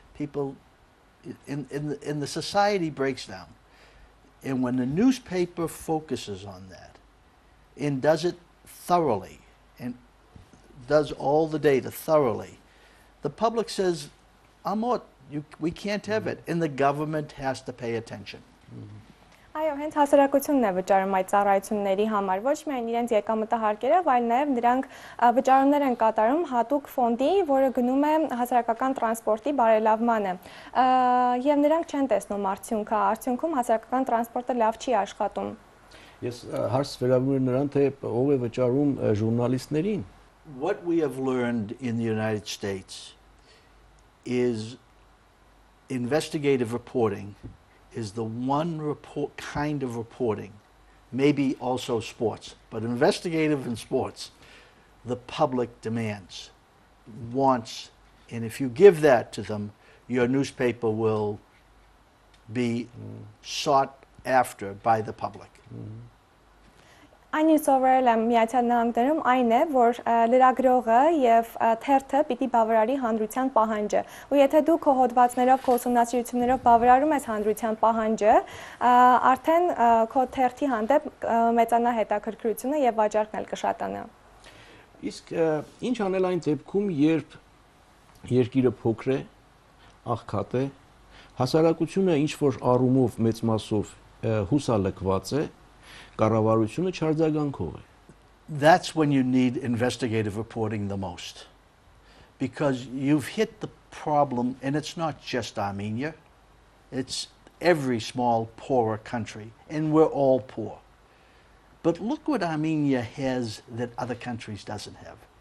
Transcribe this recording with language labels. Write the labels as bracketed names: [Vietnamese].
[English] People in the society breaks down, and when the newspaper focuses on that and does it thoroughly and does all the data thoroughly, the public says, Amot, we can't have it, and the government has to pay attention. [Armenian] Այո, հենց հասարակությունն է վճարում այդ ծառայությունների համար, ոչ միայն իրենց եկամտահարկերը, այլ նաև նրանք վճարումներ են կատարում հատուկ ֆոնդի, որը գնում է հասարակական տրանսպորտի բարելավմանը։ Եվ նրանք չեն տեսնում արդյունքը, արդյունքում հասարակական տրանսպորտը լավ չի աշխատում։ Ես հարց վերաբերում եմ նրան, թե ով է վճարում ժուրնալիստներին։ [English] What we have learned in the United States is investigative reporting is the one report kind of reporting, maybe also sports, but investigative and sports, the public demands, wants, and if you give that to them, your newspaper will be sought after by the public. Mm-hmm. [Armenian] Այնի սովորել եմ Միացյալ Նահանգներում այն է, որ լրագրողը եւ թերթը պիտի բավարարի հանրության պահանջը։ Ու եթե դու քո հոդվածներով, քո ուսումնասիրություններով բավարարում ես հանրության պահանջը, արդեն քո թերթի հանդեպ մեծանա հետաքրքրությունը եւ վաճառքն էլ կշատանա։ Իսկ ինչ անել այն դեպքում, երբ երկիրը փոքր է, աղքատ է, հասարակությունը ինչ որ առումով մեծ մասով հուսալքված է, կառավարությունը չարձագանքող է։ [English] That's when you need investigative reporting the most. Because you've hit the problem, and it's not just Armenia. It's every small poorer country, and we're all poor. But look what Armenia has that other countries doesn't have.